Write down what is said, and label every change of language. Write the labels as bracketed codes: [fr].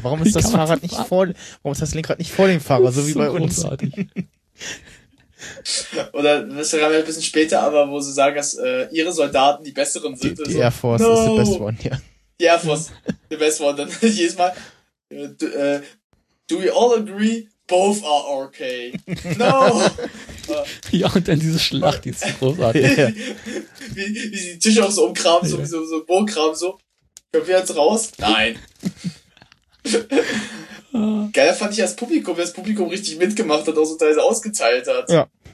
[de] Warum ist das Fahrrad nicht vor, warum ist das Lenkrad nicht vor dem Fahrer, so wie bei uns? Oder, das ist ja ein bisschen später, aber wo sie sagen, dass ihre Soldaten die besseren sind. Die Air Force ist [en] the best one, [de] ja. Die Air Force, [en] the best one. [de] Dann jedes Mal, [en] do we all agree, both are okay? No! [de] Ja, und dann diese Schlacht, die ist großartig. Wie sie den Tisch auch so umkramen, so wie so ein Bohrkram, so. Können wir jetzt raus? Nein. Geiler fand ich das Publikum richtig mitgemacht hat, auch so teilweise ausgeteilt hat.